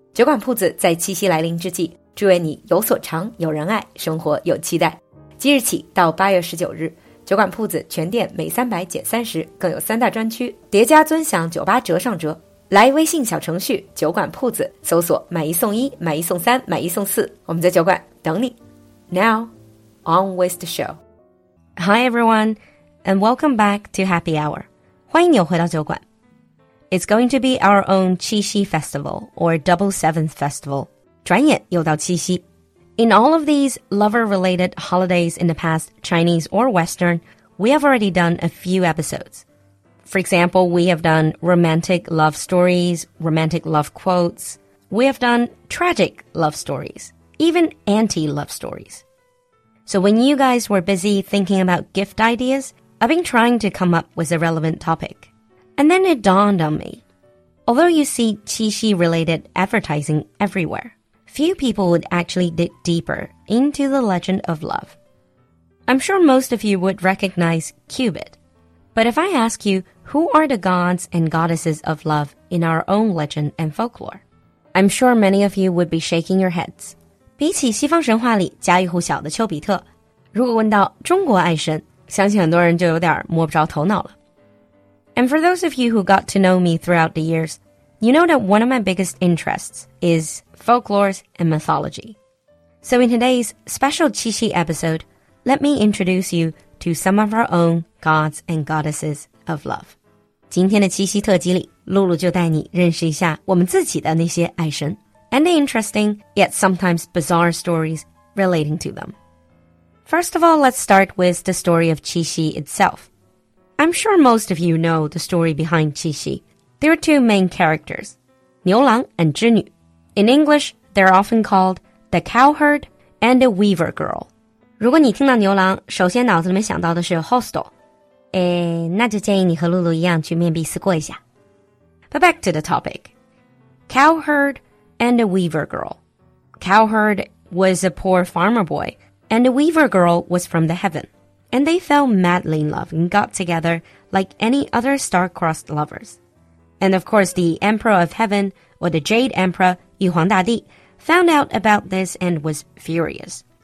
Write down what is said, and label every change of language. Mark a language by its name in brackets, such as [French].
[Chinese] 酒馆铺子在七夕来临之际，祝愿你有所长，有人爱，生活有期待。即日起到8月19日，酒馆铺子全店每300减30，更有三大专区叠加尊享酒吧折上折。来微信小程序酒馆铺子搜索买一送一，买一送三，买一送四，我们在酒馆等你。 [English] Now, on with the show. Hi everyone, and welcome back to Happy Hour. [Chinese] 欢迎你回到酒馆。 [English] It's going to be our own 七夕 festival, or Double Seventh Festival. [Chinese] 转眼又到七夕。 [English] In all of these lover-related holidays in the past, Chinese or Western, we have already done a few episodes. For example, we have done romantic love stories, romantic love quotes. We have done tragic love stories. Even anti-love stories. So when you guys were busy thinking about gift ideas, I've been trying to come up with a relevant topic. And then it dawned on me. Although you see 七夕 related advertising everywhere, few people would actually dig deeper into the legend of love. I'm sure most of you would recognize Cupid. But if I ask you, who are the gods and goddesses of love in our own legend and folklore? I'm sure many of you would be shaking your heads. [Chinese] 比起西方神话里家喻户晓的丘比特，如果问到中国爱神，相信很多人就有点摸不着头脑了。 [English] And for those of you who got to know me throughout the years, you know that one of my biggest interests is folklores and mythology. So in today's special 七夕 episode, let me introduce you to some of our own gods and goddesses of love. [Chinese] 今天的七夕特辑里，露露就带你认识一下我们自己的那些爱神。 [English] And the interesting, yet sometimes bizarre stories relating to them. First of all, let's start with the story of Qi Xi itself. I'm sure most of you know the story behind Qi Xi. There are two main characters, [Chinese] 牛郎 and 织女. [English] In English, they're often called the cowherd and the weaver girl. [Chinese] 如果你听到牛郎，首先脑子里面想到的是 hostel. 那就建议你和露露一样去面壁思过一下。 [English] But back to the topic. Cowherd. And a weaver girl. Cowherd was a poor farmer boy, and a weaver girl was from the heaven. And they fell madly in love and got together like any other star-crossed lovers. And of course, the Emperor of Heaven, or the Jade Emperor, Yu Huang Da Di, found out about this and was furious.